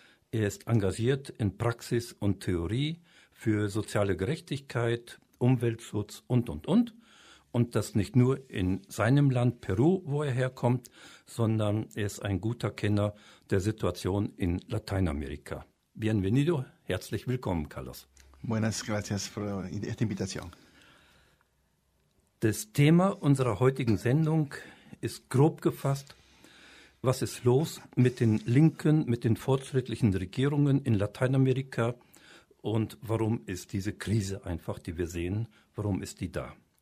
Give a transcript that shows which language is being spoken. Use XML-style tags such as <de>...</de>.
<de>Er ist engagiert in Praxis und Theorie für soziale Gerechtigkeit, Umweltschutz und. Und das nicht nur in seinem Land Peru, wo er herkommt, sondern er ist ein guter Kenner der Situation in Lateinamerika.</de> <es>Bienvenido,</es> <de>herzlich willkommen, Carlos.</de> <es>Buenas gracias por esta invitación.</es> <de>Das Thema unserer heutigen Sendung ist grob gefasst: Was ist los mit den Linken, mit den fortschrittlichen Regierungen in Lateinamerika und warum ist diese Krise einfach, die wir sehen, warum ist die da?</de>